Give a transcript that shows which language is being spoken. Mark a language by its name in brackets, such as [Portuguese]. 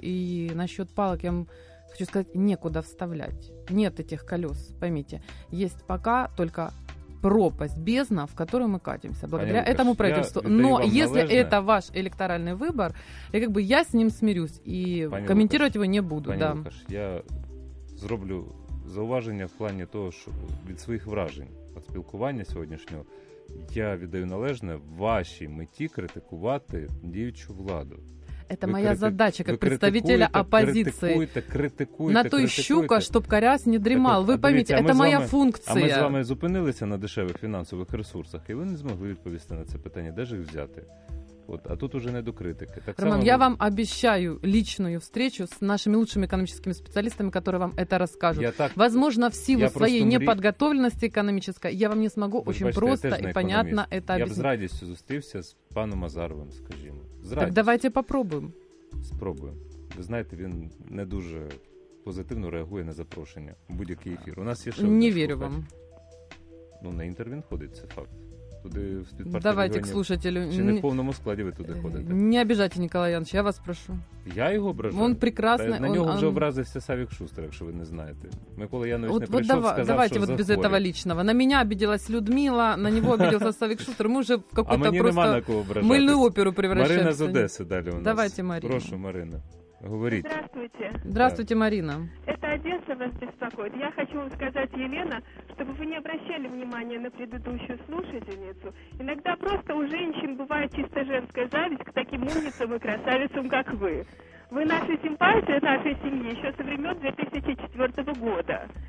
[Russian] И насчет палок я хочу сказать, некуда вставлять. Нет этих колес, поймите. Есть пока только пропасть, бездна, в которую мы катимся благодаря этому правительству. Но если это ваш электоральный выбор, я как бы я с ним смирюсь и комментировать его не буду. [Ukrainian] Пані Лукаш, я зроблю зауваження в плані того, що від своїх вражень від спілкування сьогоднішнього я віддаю належне вашій меті критикувати діючу владу. [Russian] Это моя задача, как представителя оппозиции. Критикуйте. На той щука, чтоб карась не дремал. Ви поймите, это моя функция. [Ukrainian] А ми з вами зупинилися на дешевих фінансових ресурсах, і ви не змогли відповісти на це питання, де ж їх взяти. [Russian] Вот, а тут уже не до критики. Так Роман, само... я вам обещаю личную встречу с нашими лучшими экономическими специалистами, которые вам это расскажут. Возможно, в силу своей неподготовленности экономической, я вам не смогу понятно это объяснить. Я бы с радостью встретился с паном Мазаровым, скажем. Так давайте попробуем. [Ukrainian] Спробуем. [Russian] Вы знаете, он [Ukrainian] не дуже позитивно реагує на запрошення в будь-який ефір. У нас є ще не вірю вам. Ну, на Інтер він ходить, це факт. Туди, [Russian] давайте к слушателю. [Ukrainian] Чи не в повному складі ви туди ходите? Не обіжайте, Николай Янович, я вас прошу. Я його ображаю? Він прекрасний. На нього вже образився Савік Шустер, якщо ви не знаєте. Микола Янович не прийшов, сказав, що давайте [Russian] вот без этого личного. [Ukrainian] На мене [Russian] обиделась Людмила, на нього обиделся Савік Шустер. [Ukrainian] Ми вже в [Russian] какую-то просто мильну оперу превращаемся. [Ukrainian] Марина з Одеси далі у нас. [Russian] Давайте, Марина. Прошу, Марина. Говорите. Здравствуйте. Здравствуйте, да. Марина. Это Одесса вас беспокоит. Я хочу вам сказать, Елена, чтобы вы не обращали внимания на предыдущую слушательницу. Иногда просто у женщин бывает чисто женская зависть к таким умницам и красавицам, как вы. Вы наша симпатия нашей семьи еще со времен 2004 года.